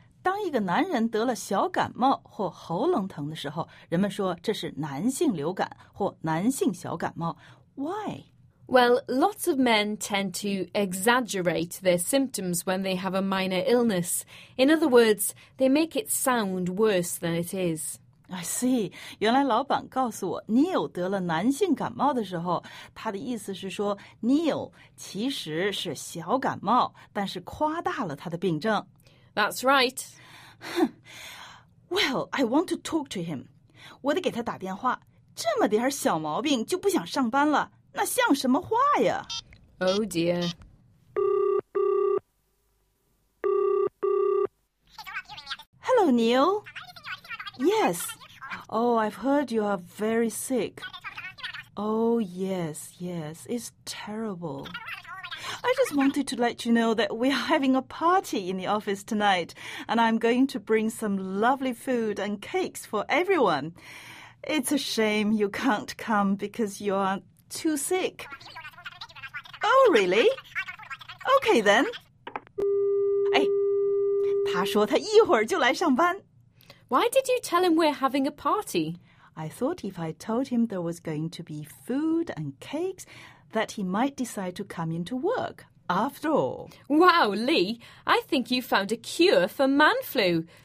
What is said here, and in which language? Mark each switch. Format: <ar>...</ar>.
<zh>当一个男人得了小感冒或喉咙疼的时候，人们说这是男性流感或男性小感冒。</zh> <en>Why? Well, lots of men tend to exaggerate their symptoms when they have a minor illness. In other words, they make it sound worse than it is. I see.</en> <zh>原来老板告诉我 ，Neil 得了男性感冒的时候，他的意思是说 ，Neil 其实是小感冒，但是夸大了他的病症。</zh> <en>That's right. Well, I want to talk to him.</en> <zh>我得给他打电话。这么点小毛病就不想上班了，那像什么话呀</zh> <en>？Oh dear. Hello, Neil. Yes. Oh, I've heard you are very sick. Oh, yes, yes. It's terrible. I just wanted to let you know that we are having a party in the office tonight, and I'm going to bring some lovely food and cakes for everyone. It's a shame you can't come because you are too sick. Oh, really? Okay, then.</en> <zh>哎，他说他一会儿就来上班。</zh> <en>Why did you tell him we're having a party? I thought if I told him there was going to be food and cakes... that he might decide to come into work, after all. Wow, Lee, I think you found a cure for man flu.</en>